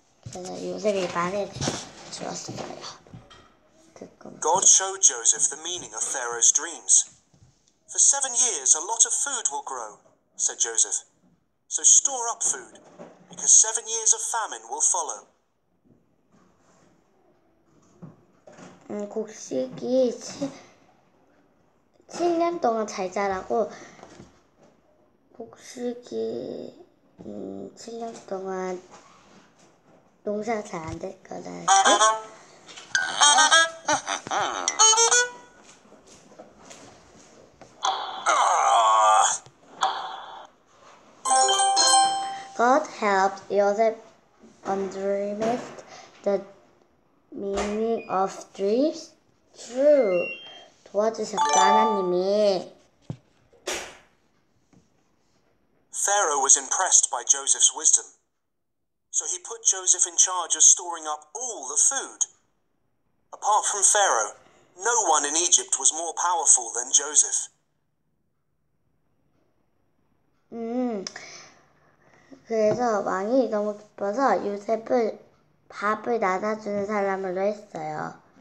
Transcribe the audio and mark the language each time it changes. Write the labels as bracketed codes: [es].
[ko] 그래서 요셉이 말해주었어요. [en] God showed Joseph the meaning of Pharaoh's dreams. For 7 years, a lot of food will grow, said Joseph. So store up food, because 7 years of famine will follow. [ko] 곡식이 7년 동안 잘 자라고, 곡식이 7년 동안 농사 잘 안 될 거다. [en] helped Joseph understand the meaning of dreams. True. [ko] 도와주셨다, 하나님이. [en] Pharaoh was impressed by Joseph's wisdom. So he put Joseph in charge of storing up all the food. Apart from Pharaoh, no one in Egypt was more powerful than Joseph. [ko] 그래서 왕이 너무 기뻐서 요셉을 밥을 나눠주는 사람으로 했어요.